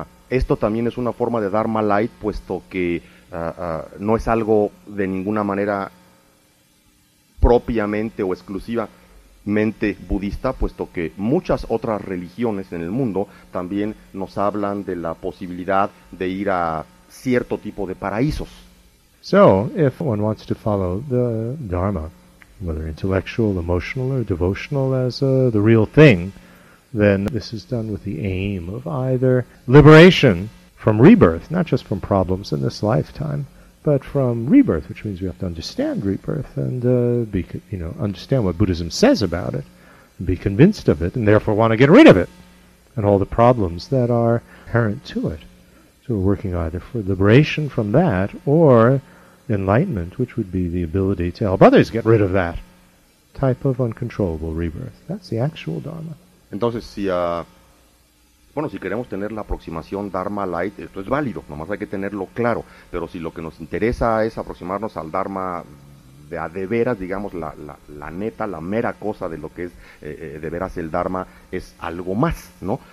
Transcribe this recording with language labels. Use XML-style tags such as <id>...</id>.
<es>Esto también es una forma de Dharma light, puesto que no es algo de ninguna manera propiamente o exclusivamente budista, puesto que muchas otras religiones en el mundo también nos hablan de la posibilidad de ir a cierto tipo de paraísos.</es> <en>So, if one wants to follow the Dharma, whether intellectual, emotional, or devotional, as the real thing, then this is done with the aim of either liberation from rebirth, not just from problems in this lifetime, but from rebirth, which means we have to understand rebirth and understand what Buddhism says about it, and be convinced of it, and therefore want to get rid of it and all the problems that are inherent to it. So we're working either for liberation from that or enlightenment, which would be the ability to help others get rid of that type of uncontrollable rebirth. That's the actual Dharma.</en> <es>Entonces, si queremos tener la aproximación Dharma Light, esto es válido, nomás hay que tenerlo claro. Pero si lo que nos interesa es aproximarnos al Dharma de veras, digamos, la neta, la mera cosa de lo que es de veras el Dharma, es algo más, ¿no?</es>